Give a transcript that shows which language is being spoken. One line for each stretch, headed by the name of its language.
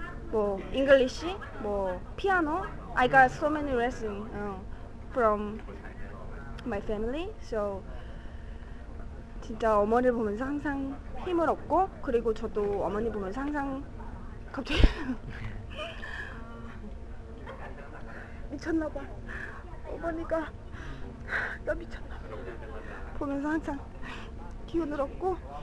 Korean: 뭐 English, 뭐 피아노.
English: I got so many lessons from my family.
Korean: So 진짜 어머니를 보면서 항상 힘을 얻고, 그리고 저도 어머니 보면서 항상 갑자기 미쳤나봐. 어머니가 나 미쳤나 보면서 항상 기운을 얻고.